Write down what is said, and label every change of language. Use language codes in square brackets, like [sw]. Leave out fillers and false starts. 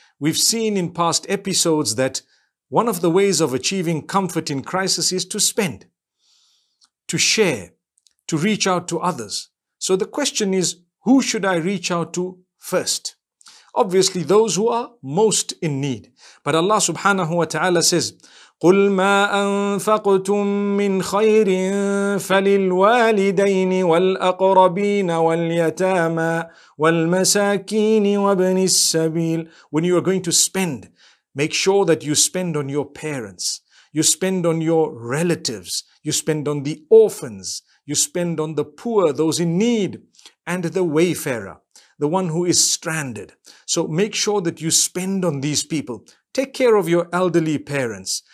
[en] We've seen in past episodes that one of the ways of achieving comfort in crisis is to spend, to share, to reach out to others. So the question is, who should I reach out to first? Obviously, those who are most in need. But Allah subhanahu wa ta'ala says, [ar] "قُلْ مَا أَنفَقْتُم مِّنْ خَيْرٍ فَلِلْوَالِدَيْنِ وَالْأَقْرَبِينَ وَالْيَتَامَى وَالْمَسَاكِينِ وَابْنِ السَّبِيلِ." [en] When you are going to spend, make sure that you spend on your parents, you spend on your relatives, you spend on the orphans, you spend on the poor, those in need, and the wayfarer, the one who is stranded. So make sure that you spend on these people. Take care of your elderly parents.